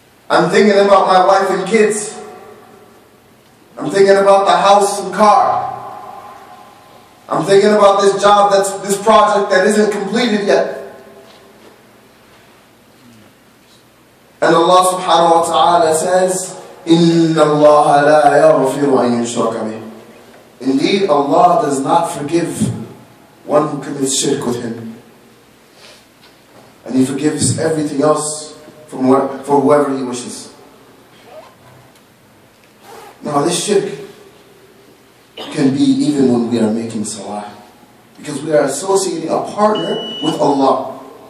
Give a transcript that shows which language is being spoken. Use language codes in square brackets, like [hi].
[en] I'm thinking about my wife and kids. I'm thinking about the house and car. I'm thinking about this job, this project that isn't completed yet. And Allah subhanahu wa ta'ala says, [ar] إِنَّ اللَّهَ لَا يَغْفِرُ أَن يُشْرَكَ بِهِ. [en] Indeed, Allah does not forgive one who commits shirk with Him. And He forgives everything else for whoever He wishes. Now this shirk can be even when we are making salah, because we are associating a partner with Allah.